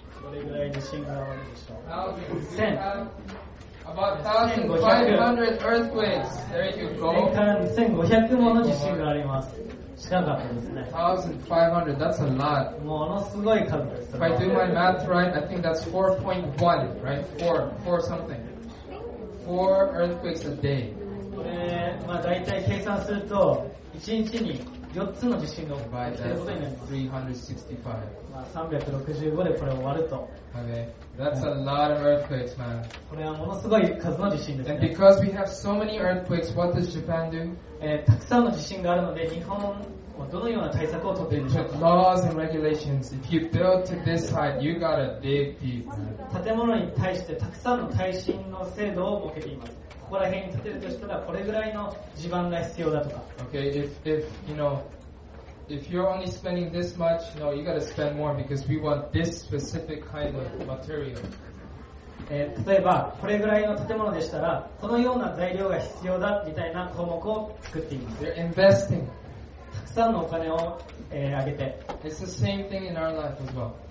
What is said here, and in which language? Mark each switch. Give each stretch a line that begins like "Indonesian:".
Japanese: どれぐらい地震が起こるでしょう。
English: 1000 About 1500 earthquakes. There you go.
Japanese: 年間1500もの地震があります。しかかったですね。
English: 1500, that's a lot.
Japanese: ものすごい数です。
English: If I do my math right, I think that's 4.1, right? 4 something. 4 earthquakes a day
Japanese: まあ、大体計算すると1日に4つの地震が起きていることになります。
English: 365.
Japanese: まあ365でこれを割ると、
English: okay. That's a lot of earthquakes, man.
Japanese: これはものすごい数の地震ですね。
English: And because we have so many earthquakes, what does Japan do?
Japanese: たくさんの地震があるので日本はどのような対策を取っているのか。
English: They put laws and regulations. If you build to this height, you gotta dig deep.
Japanese: 建物に対してたくさんの耐震の制度を設けています。ここら辺に建てるとしたらこれぐらいの地盤が必要だとか。
English: Okay, if you know, if you're only spending this much, no, you gotta spend more because we want this specific kind of material.
Japanese: 例えばこれぐらいの建物でしたらこのような材料が必要だみたいな項目を作っています。
English: They're investing.
Japanese: たくさんのお金を、あげて。
English: It's the same thing in our life as well.